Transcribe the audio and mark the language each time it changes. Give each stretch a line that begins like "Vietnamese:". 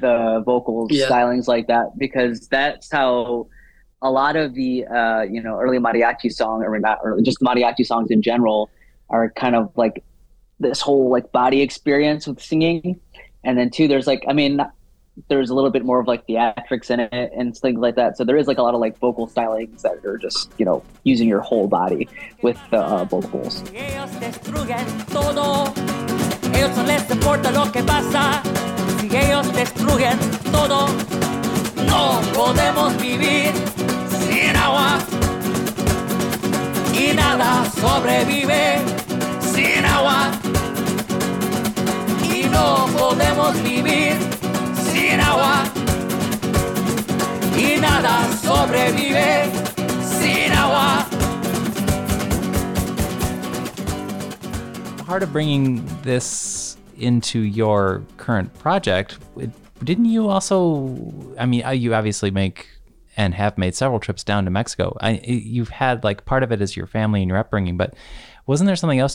English: The vocal stylings like that, because that's how a lot of the, you know, early mariachi song, or not early, just mariachi songs in general, are kind of like this whole like body experience with singing. And then too, there's like, I mean, there's a little bit more of like theatrics in it and things like that. So there is like a lot of like vocal stylings that are just, you know, using your whole body with the vocals.
Spanish: Ellos no les importa lo que pasa, si ellos destruyen todo. No podemos vivir sin agua, y nada sobrevive sin agua. Y no podemos vivir sin agua, y nada sobrevive sin agua.
English: Part of bringing this into your current project, didn't you also, I mean, you obviously make and have made several trips down to Mexico. You've had like part of it is your family and your upbringing, but wasn't there something else?